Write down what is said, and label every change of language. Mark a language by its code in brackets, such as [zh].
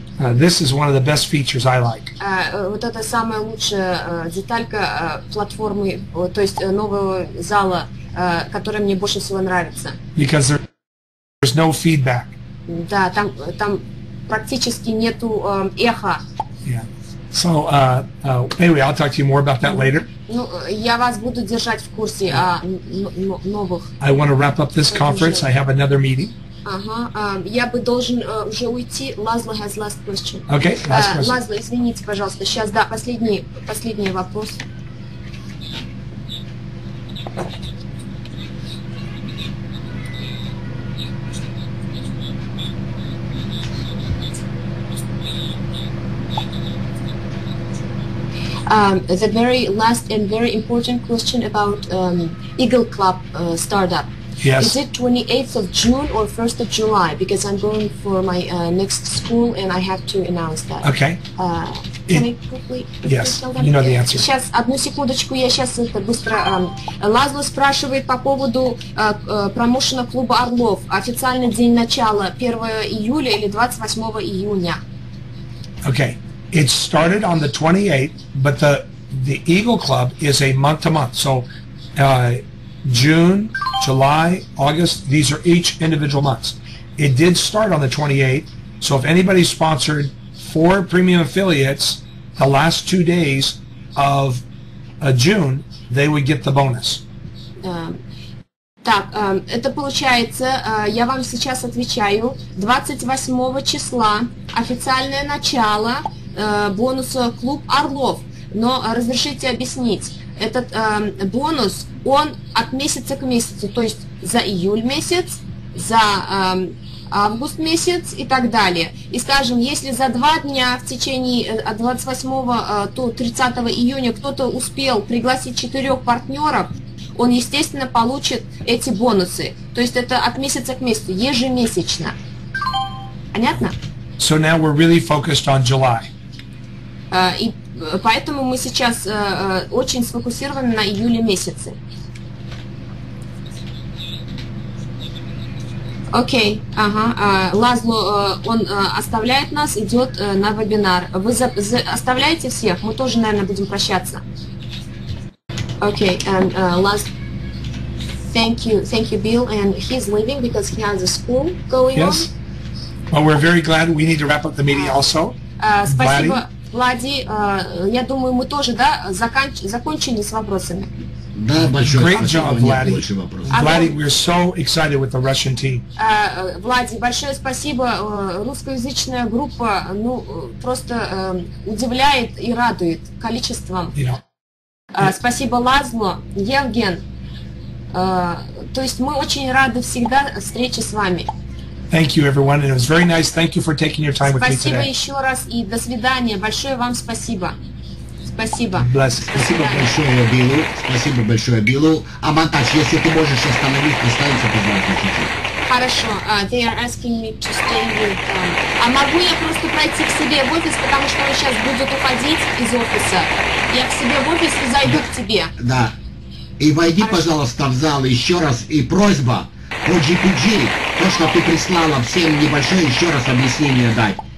[en] This is one of the best features I like. [ru] Вот это самая лучшая деталька платформы, то есть нового зала, который мне больше всего нравится. [en] Because there's no feedback. [ru] Да, там практически нету эха. [en] So anyway, I'll talk to you more about that later. [ru] Ну, я вас буду держать в курсе о новых. [en] I want to wrap up this conference. I have another meeting. [ru] Я бы должен уже уйти. Лазло [en] has last question. Okay, last question. [ru] Лазло, извините, пожалуйста. Сейчас, да, последний вопрос. [en] The very last and very important question about Eagle Club startup. Yes. Is it 28th of June or 1st of July? Because I'm going for my next school and I have to announce that. Okay. Can I quickly? Yes. You know the answer. [ru] Сейчас одну секундочку, я сейчас это быстро. Лазло спрашивает по поводу промоушена клуба Орлов. Официальный день начала 1 июля или 28 июня? [en] Okay. It started on the 28th, but the Eagle Club is a month-to-month. So June, July, August, these are each individual months. It did start on the 28th, so if anybody sponsored 4 premium affiliates the last 2 days of June, they would get the bonus. [ru] Так, это получается, я вам сейчас отвечаю, 28 числа официальное начало бонуса клуб Орлов, но разрешите объяснить, этот бонус, он от месяца к месяцу, то есть за июль месяц, за август месяц и так далее. И скажем, если за 2 дня в течение 28 до 30 июня кто-то успел пригласить 4 партнеров, он, естественно, получит эти бонусы. То есть это от месяца к месяцу, ежемесячно. Понятно? [en] So now we're really focused on July. [ru] И поэтому мы сейчас очень сфокусированы на июле месяце. Окей, ага. Лазло, он оставляет нас, идет на вебинар. Вы оставляете всех? Мы тоже, наверное, будем прощаться. [en] Окей, and Лазло. Thank you, Bill. And he's leaving because he has a school going yes. on. Well, we're very glad. We need to wrap up the meeting also. [ru] Спасибо. Влади, я думаю, мы тоже, да, закончили с вопросами. Да, большое [en] Great [ru] спасибо. [en] Great job, Влади. Влади, we're so excited with the Russian team. [ru] Влади, большое спасибо. Русскоязычная группа, ну, просто удивляет и радует количеством. Спасибо, Лазло. Евген, то есть мы очень рады всегда встрече с вами. [en] Thank you, everyone, and it was very nice. Thank you for taking your time [ru] спасибо [en] with me today. [ru] Спасибо еще раз и до свидания. Большое вам спасибо. Спасибо. Спасибо большое, Биллу. Спасибо большое, Биллу. Амантаж, если ты можешь остановить, останься, пожалуйста, чуть-чуть. Хорошо. [en] They are asking me to stay with them. [ru] А могу я просто пройти к себе в офис, потому что он сейчас будет уходить из офиса. Я к себе в офис и зайду к тебе. Да. И войди, хорошо, пожалуйста, в зал еще раз. И просьба по GPG, то, что ты прислала, всем небольшое еще раз объяснение дать.